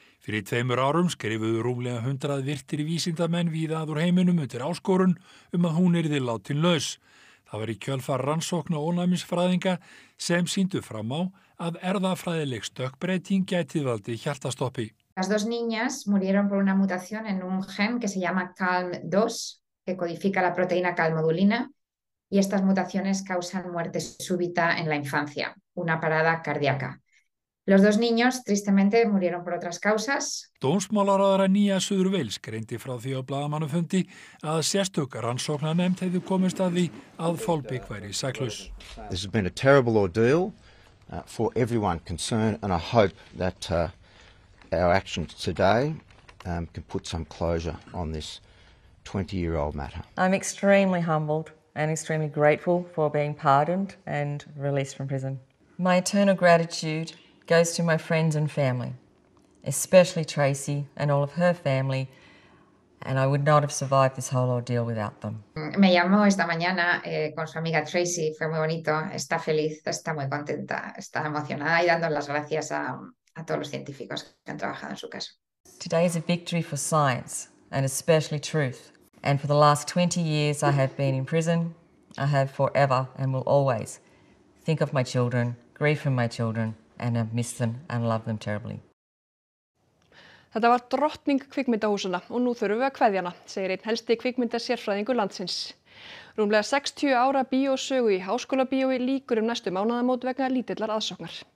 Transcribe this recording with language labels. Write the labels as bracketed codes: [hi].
[is] Fyrir 2 árum skrifuðu rúmlega 100 virtir vísindamenn víðað úr heiminum undir áskorun að hún yrði látin laus. Það var í kjölfar rannsókn á ónæmisfræðinga sem sýndu fram á að erðafræðileg stökkbreyting gæti valdið hjartastoppi. [es] Las dos niñas murieron por una mutación en un gen que se llama CALM2, que codifica la proteína calmodulina, y estas mutaciones causan muerte súbita en la infancia, una parada cardíaca. Los dos niños, tristemente, murieron por otras causas. [is] Dómsmálaráðherra Nýja Suður-Wales greindi frá því á blaðamannafundi að sérstök rannsóknarnefnd hefði komist að því að Folbeck væri saklaus. [en] This has been a terrible ordeal for everyone concerned, and I hope that our action today can put some closure on this 20-year-old matter. I'm extremely humbled and extremely grateful for being pardoned and released from prison. My eternal gratitude goes to my friends and family, especially Tracy and all of her family, and I would not have survived this whole ordeal without them. [es] Me llamó esta mañana con su amiga Tracy, fue muy bonito, está feliz, está muy contenta, está emocionada y dando las gracias a todos los científicos que han trabajado en su caso. [en] Today is a victory for science and especially truth, And for the last 20 years I have been in prison, I have forever and will always think of my children, grieve for my children and have missed them and loved them terribly. [is] Þetta var drottning kvikmyndahúsana og nú þurfum við að kveðja hana, segir einn helsti kvikmyndasérfræðingur landsins. Rúmlega 60 ára bíósögu í Háskóla bíói lýkur næstu mánaðamót vegna lítillar aðsóknar.